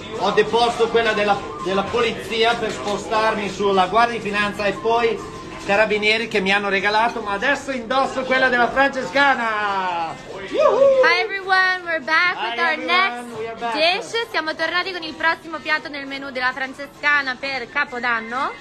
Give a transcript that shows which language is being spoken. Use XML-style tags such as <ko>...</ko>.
<it>Ho deposto quella della polizia per spostarmi sulla guardia di finanza e poi carabinieri che mi hanno regalato, ma adesso indosso quella della francescana.</it> <en>Hi everyone, we're back with our next dish.</en> <it>Siamo tornati con il prossimo piatto nel menù della francescana per Capodanno.</it>